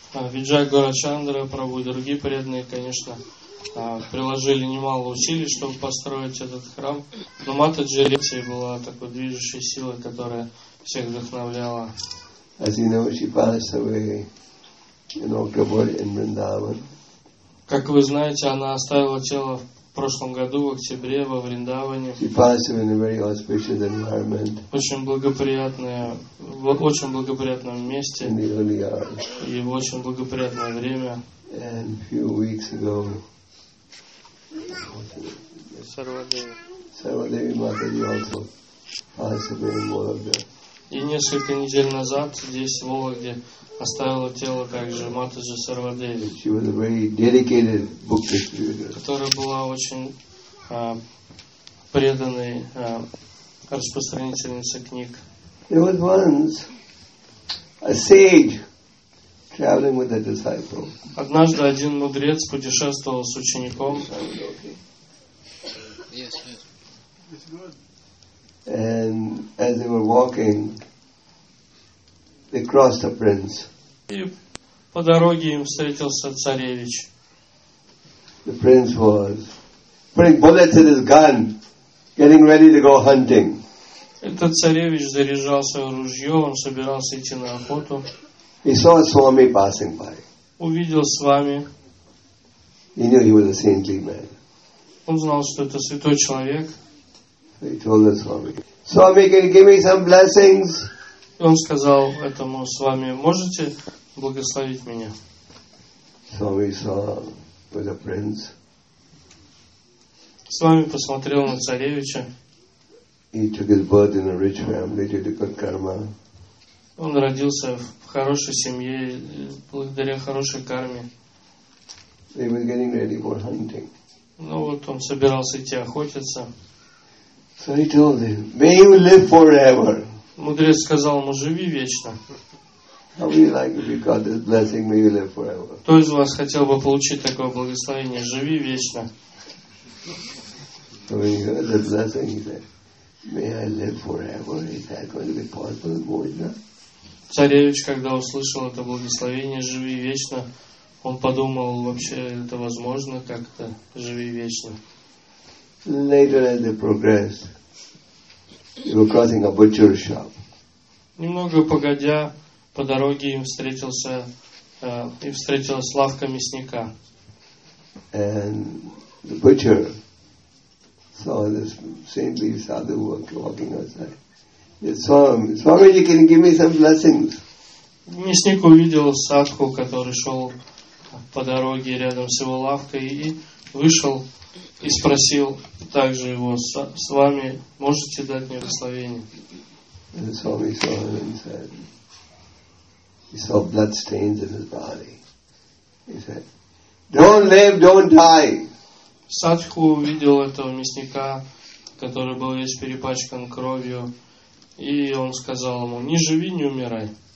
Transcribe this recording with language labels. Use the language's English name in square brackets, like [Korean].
[Russian] Виджайгурачандра, Прабху и другие преданные, конечно, приложили немало усилий, чтобы построить этот храм, но Матаджи Ревати была такой движущей силой, которая всех вдохновляла. [English] As you know, she passed away in October in Vrindavan. [Russian] Как вы знаете, она оставила тело в прошлом году, в октябре, во Вриндаване. [English] She passed away in a very auspicious environment. [Russian] Очень благоприятном месте. [English] In the early hours. [Russian] И в очень благоприятное время. [English] And a few weeks ago. Sarvadevi Mataji also passed away in Vologda. [Russian] И несколько недель назад здесь, в Вологде, оставила тело также Матаджи Сарвадеви. [English] She was a very dedicated book distributor. [Russian] Которая была очень преданной распространительницей книг. [English] There was once a sage traveling with a disciple. [Russian] Однажды один мудрец путешествовал с учеником. [English] Yes, yes. And as they were walking, they crossed a prince. [Russian] И по дороге им встретился царевич. [English] The prince was putting bullets in his gun, getting ready to go hunting. [Russian] Этот царевич заряжал свое ружье, он собирался идти на охоту. [English] He saw Swami passing by. [Russian] Увидел Свами. [English] He knew he was a saintly man. [Russian] Он знал, что это святой человек. [English] So he told the Swami, Swami, can you give me some blessings? [Russian] Он сказал этому Свами, можете благословить меня? [English] Swami saw for the prince. [Russian] С вами посмотрел на царевича. [English] He took his birth in a rich family, did a good karma. [Russian] Он родился в хорошей семье благодаря хорошей карме. [English] He was getting ready for hunting. [Russian] Ну вот он собирался идти охотиться. [English] So he told him, "May you live forever." [Russian] Мудрец сказал ему: "Живи вечно." [English] How would you like if you got this blessing? May you live forever. [Russian] Кто из вас хотел бы получить такое благословение? Живи вечно. [English] So when he heard the blessing, he said, "May I live forever? Is that going to be possible, Bojna?" [Russian] Царевич, когда услышал это благословение, "Живи вечно," он подумал: вообще это возможно как-то? Живи вечно. [English] Later, as they progressed, they were crossing a butcher shop. [Russian] Немного погодя, по дороге им встретился и встретилась лавка мясника. [English] And the butcher saw this saintly sadhu walking outside. Swamiji, can you give me some blessings? [Russian] Мясник увидел садху, который шел по дороге рядом с его лавкой, и вышел и спросил также его: с вами можете дать мне благословение? [English] And Swami saw him and said, he saw blood stains in his body. He said, "Don't live, don't die." [Russian] Садху увидел этого мясника, который был весь перепачкан кровью, и он сказал ему: "Не живи, не умирай."